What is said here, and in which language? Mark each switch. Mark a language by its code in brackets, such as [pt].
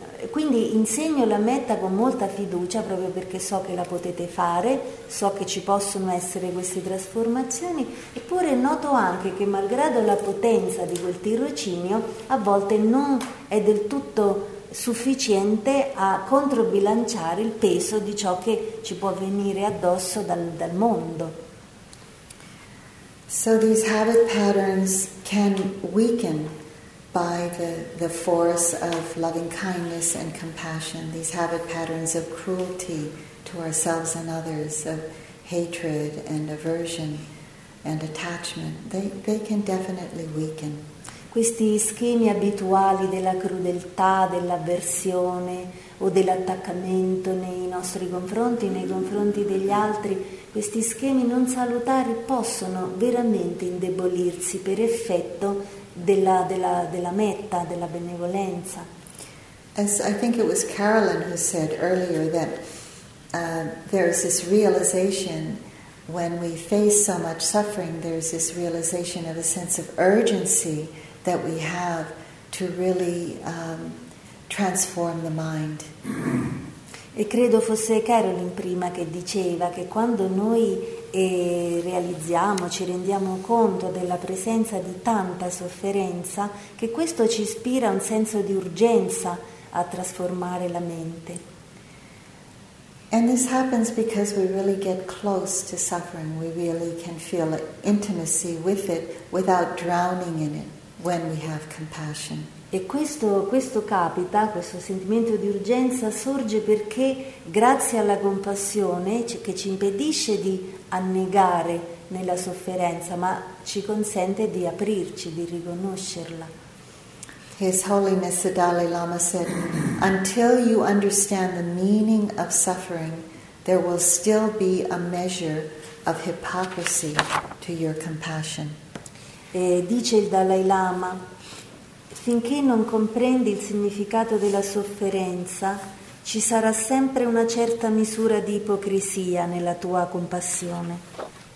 [it] Quindi insegno la metta con molta fiducia, proprio perché so che la potete fare, so che ci possono essere queste trasformazioni, eppure noto anche che malgrado la potenza di quel tirocinio, a volte non è del tutto sufficiente a controbilanciare il peso di ciò che ci può venire addosso dal mondo. [en] So these habit patterns can weaken by the force of loving kindness and compassion, these habit patterns of cruelty to ourselves and others, of hatred and aversion and attachment, they can definitely weaken. [it] Questi schemi abituali della crudeltà, dell'avversione o dell'attaccamento nei nostri confronti, nei confronti degli altri, questi schemi non salutari possono veramente indebolirsi per effetto della metta, della benevolenza. [en] As I think it was Carolyn who said earlier that there's this realization when we face so much suffering, there's this realization of a sense of urgency that we have to really transform the mind. [it] E credo fosse Carolyn prima che diceva che quando noi realizziamo, ci rendiamo conto della presenza di tanta sofferenza, che questo ci ispira un senso di urgenza a trasformare la mente. [en] And this happens because we really get close to suffering, we really can feel intimacy with it without drowning in it when we have compassion. [it] E questo capita, questo sentimento di urgenza sorge perché grazie alla compassione che ci impedisce di annegare nella sofferenza, ma ci consente di aprirci, di riconoscerla. [en] His Holiness the Dalai Lama said, "Until you understand the meaning of suffering, there will still be a measure of hypocrisy to your compassion." [it] E dice il Dalai Lama, finché non comprendi il significato della sofferenza, ci sarà sempre una certa misura di ipocrisia nella tua compassione.